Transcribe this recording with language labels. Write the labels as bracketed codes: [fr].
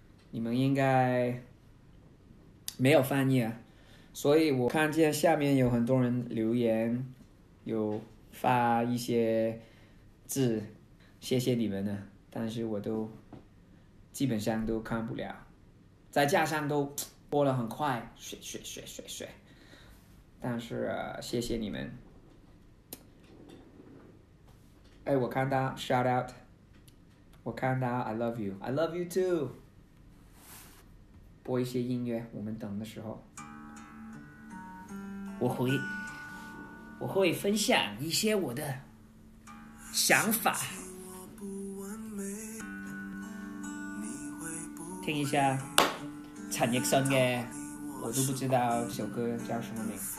[zh] 你们应该没有翻译啊，所以我看见下面有很多人留言，有发一些字，谢谢你们呢，但是我都基本上都看不了，再加上都播了很快，水水水水水，但是谢谢你们。哎，我看到 [en] shout out。 [zh] 我看到 [en] I love you, I love you too。 [zh] 播一些音乐，我们等的时候我会分享一些我的想法，听一下陈奕迅的，我都不知道首歌叫什么名。